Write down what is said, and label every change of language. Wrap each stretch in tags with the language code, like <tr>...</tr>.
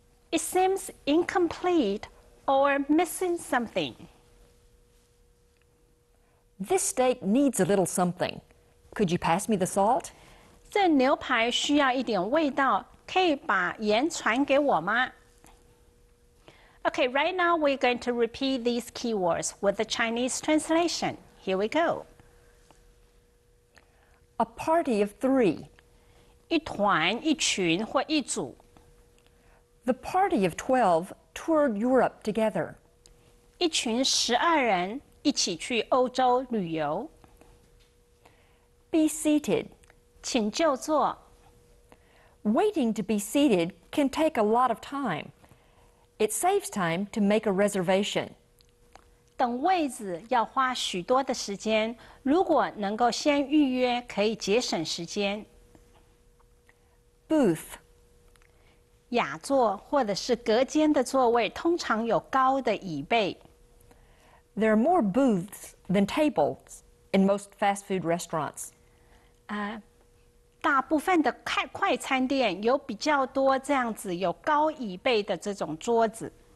<en>It seems incomplete or missing something. This steak needs a little something. Could you pass me the salt?</en> <zh>这牛排需要一点味道，可以把盐传给我吗？</zh> <en>Okay, right now we're going to repeat these keywords with the Chinese translation. Here we go. A party of three.</en> <zh>一团、一群或一组。</zh> <en>The party of 12 toured Europe together.</en> <zh>一群十二人一起去欧洲旅游。</zh> <en>Be seated.</en> <zh>请就坐。</zh> <en>Waiting to be seated can take a lot of time. It saves time to make a reservation.</en> <zh>等位子要花许多的时间，如果能够先预约，可以节省时间。</zh> <en>Booth.</en> <zh>雅座或者是隔间的座位通常有高的椅背。</zh> <en>There are more booths than tables in most fast food restaurants.</en> <zh>大部分的快餐店有比较多这样子有高椅背的这种桌子。</zh>